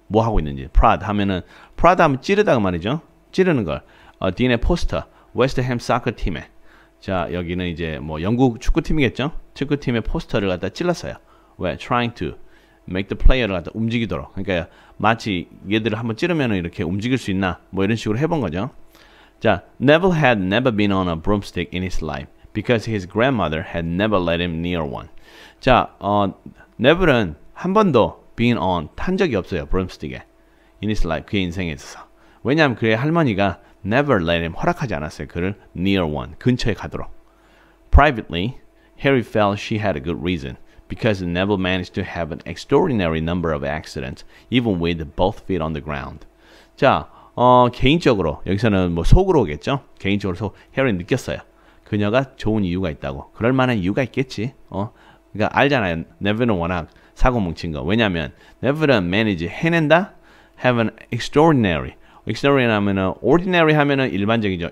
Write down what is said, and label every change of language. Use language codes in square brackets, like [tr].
[ko] 뭐 하고 있는지. prod 하면은, prod 하면 찌르다 그 말이죠. 찌르는 걸. Dean의 포스터, West Ham soccer team 에. 자, 여기는 이제 뭐 영국 축구팀이겠죠? 축구팀의 포스터를 갖다 찔렀어요. 왜? trying to make the player 갖다 움직이도록. 그러니까 마치 얘들을 한번 찌르면 이렇게 움직일 수 있나? 뭐 이런 식으로 해본 거죠. [en] 자, Neville had never been on a broomstick in his life because his grandmother had never let him near one. [ko] 자, Neville은 한 번도 been on 탄 적이 없어요. broomstick에. in his life, 그의 인생에 있어서. 왜냐하면 그의 할머니가 never let him 허락하지 않았어요. 그를 near one, 근처에 가도록. [en] Privately, Harry felt she had a good reason because Neville managed to have an extraordinary number of accidents even with both feet on the ground. [ko] 자, 개인적으로 여기서는 뭐 속으로겠죠. 개인적으로 속, Harry 느꼈어요. 그녀가 좋은 이유가 있다고. 그럴 만한 이유가 있겠지. 그러니까 알잖아요. Neville은 워낙 사고 뭉친 거. 왜냐하면 Neville은 manage 해낸다. [en] Have an extraordinary. Extraordinary 하면은 ordinary 하면은 일반적이죠.